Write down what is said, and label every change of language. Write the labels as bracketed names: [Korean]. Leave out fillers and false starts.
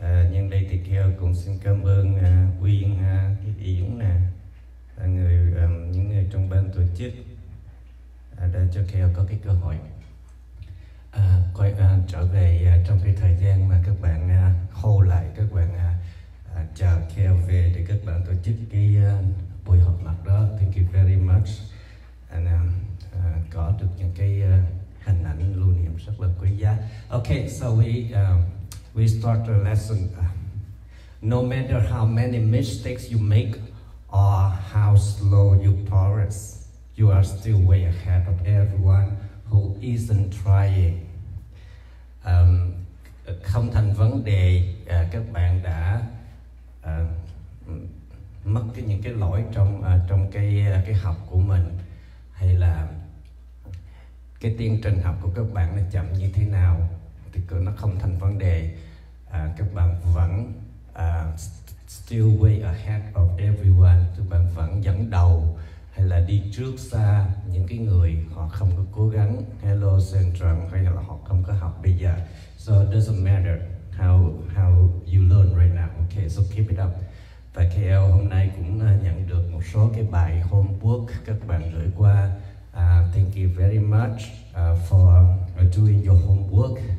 [Vietnamese] Nhân đây thì Kheo cũng xin cảm ơn Quyên, Yến nè, những người trong ban tổ chức đã cho Kheo có cái cơ hội quay trở về trong cái thời gian mà các bạn hold lại, các bạn chờ Kheo về để các bạn tổ chức cái buổi họp mặt đó. [English] Thank you very much. [Vietnamese] And có được những cái hình ảnh lưu niệm rất là quý giá. [English] Okay, so we start the lesson. No matter how many mistakes you make or how slow you progress, you are still way ahead of everyone who isn't trying. [Vietnamese] Không thành vấn đề các bạn đã mất cái những cái lỗi trong trong cái học của mình, hay là cái tiến trình học của các bạn nó chậm như thế nào, thì nó không thành vấn đề. Các bạn vẫn [English] still way ahead of everyone, [Vietnamese] các bạn vẫn dẫn đầu hay là đi trước xa những cái người họ không có cố gắng. Hello Central, hay là họ không có học bây giờ. [English] So it doesn't matter how you learn right now. Okay, so keep it up. [Vietnamese] Và KL hôm nay cũng nhận được một số cái bài homework các bạn gửi qua. [English] Thank you very much for doing your homework.